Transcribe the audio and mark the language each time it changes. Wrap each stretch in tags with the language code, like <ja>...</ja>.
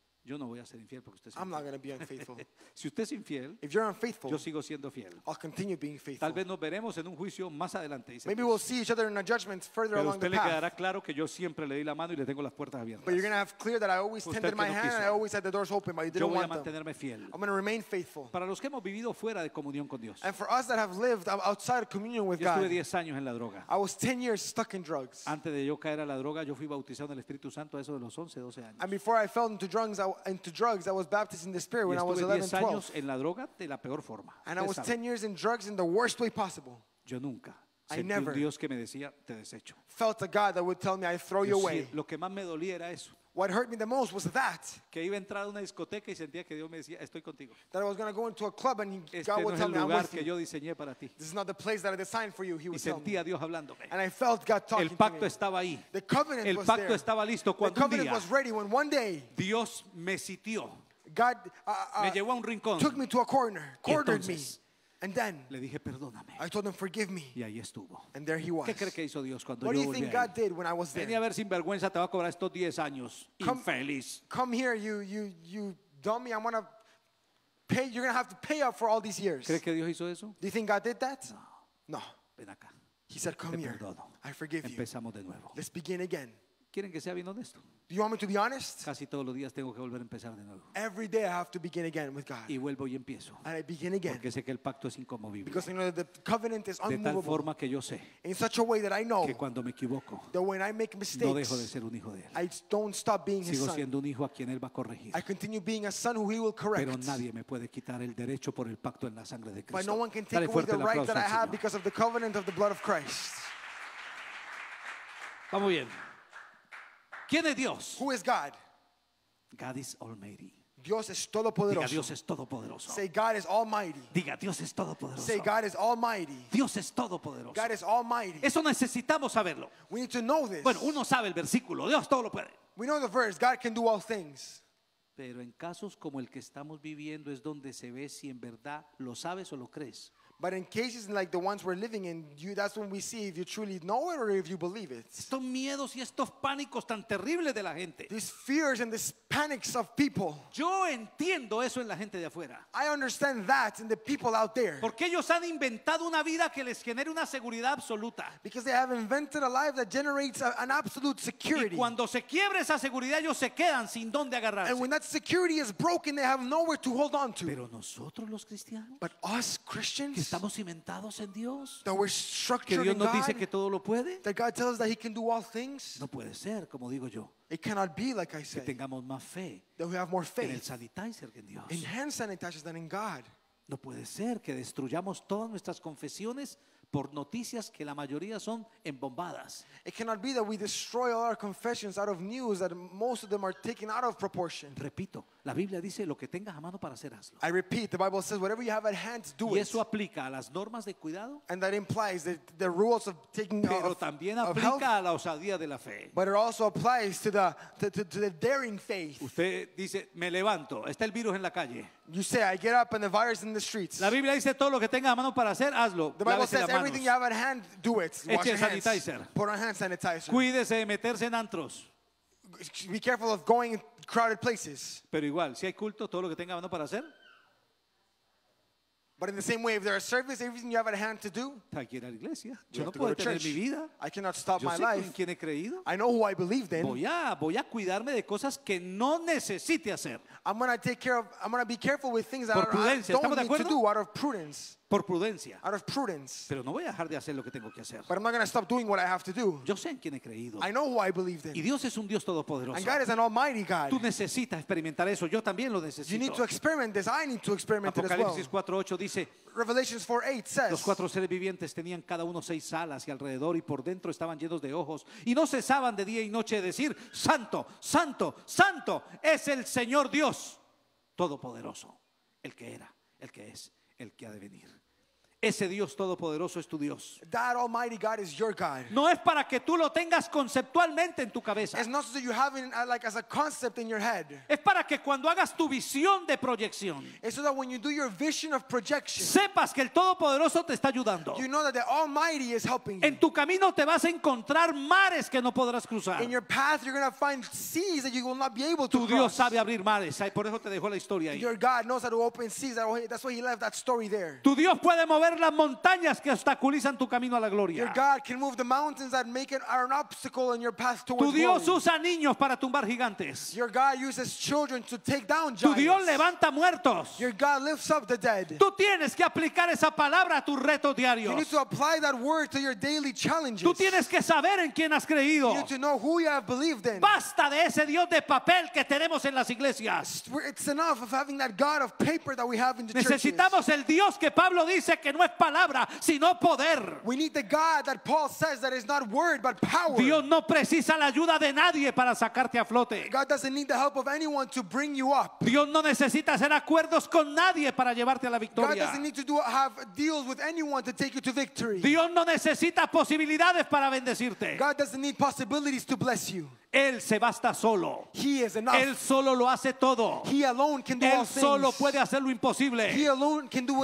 <es>yo no voy a ser infiel porque usted es</es> <en>I'm not going to be unfaithful.</en> <es>Si usted es infiel,</es> <en>if you're unfaithful,</en> <es>yo sigo siendo fiel.</es> <en>I'll continue being faithful.</en> <es>Tal vez nos veremos en un juicio más adelante. Dice,</es> <en>maybe we'll see each other in a judgment further along the path.</en> <es>Pero usted le quedará claro que yo siempre le di la mano y le tengo las puertas abiertas.</es> <en>But you're going to have clear that I always tended my hand and I always had the doors open, but you didn't want them.</en> <es>Yo voy a mantenerme fiel.</es> <en>I'm going to remain faithful.</en> <es>Para los que hemos vivido fuera de comunión con Dios.</es> <en>And for us that have lived outside of communion with God.</en> <es>Yo estuve 10 años en la droga.</es> <en>I was 10 years stuck in drugs.</en> <es>Antes de yo caer a la droga, yo fui bautizado en el Espíritu Santo a eso de los 11, 12 años.</es> <en>And before I fell into drugs. I was baptized in the spirit when I was 11</en> <es>años 12 en la droga de la peor forma.</es> <en>And I was 10 years in drugs in the worst way possible.</en> <es>Yo nunca</es> <en>I never</en> <es>un Dios que me decía, te desecho.</es> <en>Felt a God that would tell me I throw</en> <es>yo</es> <en>you away.</en> <es>Lo que más me dolía era eso.</es> <en>What hurt me the most was that</en> <es>que iba a entrar a una discoteca y sentía que Dios me decía, estoy contigo.</es> <en>That I was going to go into a club and God</en> <es>este</es> <en>would</en> <es>no</es> <en>tell</en> <es>es el lugar</es> <en>me I'm with</en> <es>yo diseñé para ti.</es> <en>This is not the place that I designed for you, he would</en> <es>sentía Dios hablándome.</es> <en>And I felt God talking</en> <es>el pacto</es> <en>to me.</en> <es>Estaba ahí.</es> <en>The covenant</en> <es>el pacto</es> <en>was there.</en> <es>Listo cuando</es> <en>the covenant</en> <es>un día</es> <en>was ready when one day</en> <es>Dios me sitió.</es> <en>God</en> <es>me llevó a un rincón.</es> <en>Took me to a corner, cornered me. And then</en> <es>le dije, perdóname.</es> <en>I told him, forgive me.</en> <es>Y ahí estuvo.</es> <en>And there he was.</en> <es>¿Qué cree que hizo Dios cuando</es> <en>what do you think God</en> <es>ahí?</es> <en>Did when I was there?</en> <es>Vení a ver sinvergüenza, te va a cobrar estos 10 años.</es> <en>Come,</en> <es>infeliz.</es> <en>Come here, you dummy. I'm going to pay. You're going to have to pay up for all these years.</en> <es>¿Cree que Dios hizo eso?</es> <en>Do you think God did that?</en> <es>No.</es> <en>No.</en> <es>Ven acá.</es> <en>He said, come</en> <es>te</es> <en>here.</en> <es>Perdono.</es> <en>I forgive</en> <es>empezamos</es> <en>you.</en> <es>Empezamos de nuevo.</es> <en>Let's begin again.</en> <es>¿Quieren que sea bien honesto?</es> <en>Do you want me to be honest?</en> <es>Casi todos los días tengo que volver a empezar de nuevo.</es> <en>Every day I have to begin again with God.</en> <es>Y vuelvo y empiezo.</es> <en>And I begin again.</en> <es>Porque sé que el pacto es inconmovible.</es> <en>Because I know that the covenant is unmovable.</en> <es>De tal forma que yo sé.</es> <en>In such a way that I know.</en> <es>Que cuando me equivoco.</es> <en>That when I make mistakes.</en> <es>No dejo de ser un hijo de él.</es> <en>I don't stop being</en> <es>sigo</es> <en>his son.</en> <es>Sigo siendo un hijo a quien él va a corregir.</es> <en>I continue being a son who he will correct.</en> <es>Pero nadie me puede quitar el derecho por el pacto en la sangre de Cristo.</es> <en>But no one can take away the right that I have</en> <es>Señor.</es> <en>Because of the covenant of the blood of Christ.</en> <es>Vamos bien. ¿Quién es Dios?</es> <en>Who is God? God is almighty.</en> <es>Dios es todopoderoso. Diga Dios es todopoderoso.</es> <en>Say God is almighty.</en> <es>Diga Dios es todopoderoso.</es> <en>Say God is almighty.</en> <es>Dios es todopoderoso.</es> <en>God is almighty.</en> <es>Eso necesitamos saberlo.</es> <en>We need to know this.</en> <es>Bueno, uno sabe el versículo. Dios todo lo puede.</es> <en>We know the verse. God can do all things.</en> <es>Pero en casos como el que estamos viviendo es donde se ve si en verdad lo sabes o lo crees.</es> <en>But in cases like the ones we're living in, that's when we see if you truly know it or if you believe it.</en> <es>Estos miedos y estos pánicos tan terribles de la gente.</es> <en>These fears and these panics of people.</en> <es>Yo entiendo eso en la gente de afuera.</es> <en>I understand that in the people out there.</en> <es>Porque ellos han inventado una vida que les genere una seguridad absoluta.</es> <en>Because they have invented a life that generates an absolute security.</en> <es>Y cuando se quiebra esa seguridad, ellos se quedan sin dónde agarrarse.</es> <en>And when that security is broken, they have nowhere to hold on to.</en> <es>Pero nosotros los cristianos.</es> <en>But us Christians.</en> <es>Estamos cimentados en Dios.</es> <en>That we're structured</en> <es>que Dios nos</es> <en>God,</en> <es>dice que todo lo puede.</es> <en>That God tells us that he can do all things.</en> <es>No puede ser, como digo yo.</es> <en>It cannot be like I say.</en> <es>Que tengamos más fe.</es> <en>That we have more faith.</en> <es>En el sanitizer que en Dios.</es> <en>In hand sanitizers than in God.</en> <es>No puede ser que destruyamos todas nuestras confesiones por noticias que la mayoría son embombadas.</es> <en>It cannot be that we destroy all our confessions out of news that most of them are taken out of proportion.</en> <es>Repito, la Biblia dice lo que tengas a mano para hacer hazlo.</es> <en>I repeat, the Bible says whatever you have at hand do it.</en> <es>Y eso aplica a las normas de cuidado.</es> <en>And that implies the rules of taking</en> <es>pero</es> <en>care of,</en> <es>también aplica a la osadía de la fe.</es> <en>But it also applies to the daring faith.</en> <es>Usted dice, me levanto, está el virus en la calle.</es> <en>You say I get up and the virus is in the streets.</en> <es>La Biblia dice todo lo que tengas a mano para hacer hazlo.</es> <en>The Bible says everything you have at hand do it. Wash your hands. Put on hand sanitizer.</en> <es>Cuídese de meterse en antros.</es> <en>Be careful of going in crowded places.</en> <es>Pero igual, si hay culto, todo lo que tenga mano para hacer.</es> <en>But in the same way, if there are services, everything you have at hand to do,</en> <es>aquí en la iglesia. Yo no puedo tener mi vida.</es> <en>I cannot stop</en> <es>yo</es> <en>my life.</en> <es>En quién he creído.</es> <en>I know who I believed in.</en> <es>Voy a cuidarme de cosas que no necesite hacer.</es> <en>I'm going to take care of, I'm going to be careful with things that</en> <es>por prudencia,</es> <en>I don't</en> <es>¿estamos</es> <en>need</en> <es>de acuerdo?</es> <en>To do out of prudence.</en> <es>Por prudencia.</es> <en>Out of prudence.</en> <es>Pero no voy a dejar de hacer lo que tengo que hacer.</es> <en>But I'm not going to stop doing what I have to do.</en> <es>Yo sé en quién he creído.</es> <en>I know who I believed in.</en> <es>Y Dios es un Dios todopoderoso.</es> <en>And God is an almighty God.</en> <es>Tú necesitas experimentar eso. Yo también lo necesito.</es> <en>You need to experiment this. I need to experiment it as well.</en> <es>Apocalipsis 4:8 dice.</es> <en>Revelations 4:8 says.</en> <es>Los cuatro seres vivientes tenían cada uno seis alas y alrededor y por dentro estaban llenos de ojos y no cesaban de día y noche de decir Santo, Santo, Santo es el Señor Dios todopoderoso, el que era, el que es, el que ha de venir. Ese Dios todopoderoso es tu Dios.</es> <en>That Almighty God is your God.</en> <es>No es para que tú lo tengas conceptualmente en tu cabeza.</es> <en>It's not so you have it like as a concept in your head.</en> <es>Es para que cuando hagas tu visión de proyección,</es> <en>it's so that when you do your vision of projection,</en> <es>sepas que el todopoderoso te está ayudando.</es> <en>You know that the Almighty is helping you.</en> <es>En tu camino te vas a encontrar mares que no podrás cruzar.</es> <en>In your path you're going to find seas that you will not be able to</en> <es>tu Dios</es> <en>cross.</en> <es>Sabe abrir mares, por eso te dejó la historia ahí.</es> <en>Your God knows how to open seas. That's why he left that story there.</en> <es>Tu Dios puede mover las montañas que obstaculizan tu camino a la gloria.</es> <en>Your God can move the mountains that make it are an obstacle in your path towards glory.</en> <es>Tu Dios usa niños para tumbar gigantes.</es> <en>Your God uses children to take down giants.</en> <es>Tu Dios levanta muertos.</es> <en>Your God lifts up the dead.</en> <es>Tú tienes que aplicar esa palabra a tu reto diario.</es> <en>You need to apply that word to your daily challenges.</en> <es>Tú tienes que saber en quién has creído.</es> <en>You need to know who you have believed in.</en> <es>Basta de ese Dios de papel que tenemos en las iglesias.</es> <en>It's enough of having that God of paper that we have in the churches.</en> <es>Necesitamos el Dios que Pablo dice que no es palabra, sino poder.</es> <en>We need the God that Paul says that is not word but power.</en> <es>Dios no precisa la ayuda de nadie para sacarte a flote.</es> <en>God doesn't need the help of anyone to bring you up.</en> <es>Dios no necesita hacer acuerdos con nadie para llevarte a la victoria.</es> <en>God doesn't need to have deals with anyone to take you to victory.</en> <es>Dios no necesita posibilidades para bendecirte.</es> <en>God doesn't need possibilities to bless you.</en> <es>Él se basta solo.</es> <en>He is enough.</en> <es>Él solo lo hace todo.</es> <en>He alone can do</en> <es>Él</es> <en>all things.</en> <es>Él solo puede hacer lo imposible.</es> <en>He alone can do</en>